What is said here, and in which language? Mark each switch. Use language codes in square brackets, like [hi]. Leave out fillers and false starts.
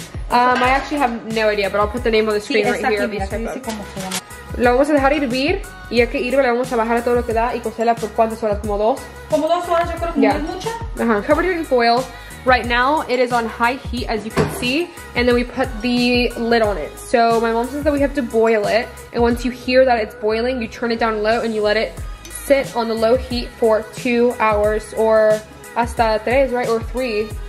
[en] I actually have no idea, but I'll put the name on the screen, [es] sí, [en] right here. [es] Mira, lo vamos a dejar hirvir, y ya que hirve le vamos a bajar a todo lo que da y cocerla por cuántas horas, como dos. Como dos horas, yo creo que es mucha. [en] Uh-huh. Covered it in foil. Right now, it is on high heat, as you can see, and then we put the lid on it. So my mom says that we have to boil it, and once you hear that it's boiling, you turn it down low and you let it sit on the low heat for 2 hours or [es] hasta tres, [en] right, or three.